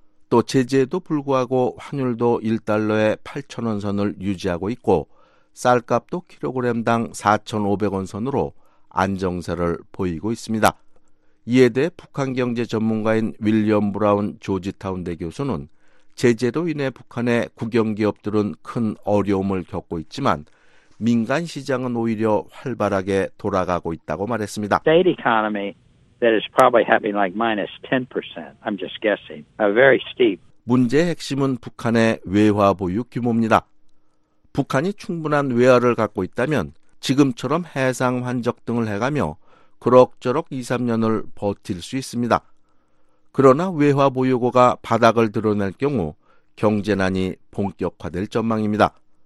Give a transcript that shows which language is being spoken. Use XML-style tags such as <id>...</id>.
<ko>또 제재에도 불구하고 환율도 1달러에 8,000원 선을 유지하고 있고 쌀값도 킬로그램당 4,500원 선으로 안정세를 보이고 있습니다. 이에 대해 북한 경제 전문가인 윌리엄 브라운 조지타운 대 교수는 제재로 인해 북한의 국영기업들은 큰 어려움을 겪고 있지만 민간 시장은 오히려 활발하게 돌아가고 있다고 말했습니다.</ko> <en>State economy that is probably happening like minus 10%. I'm just guessing. A very steep.</en> <ko>문제의 핵심은 북한의 외화 보유 규모입니다. 북한이 충분한 외화를 갖고 있다면 지금처럼 해상 환적 등을 해가며 그럭저럭 2, 3년을 버틸 수 있습니다. 그러나 외화 보유고가 바닥을 드러낼 경우 경제난이 본격화될 전망입니다.</ko>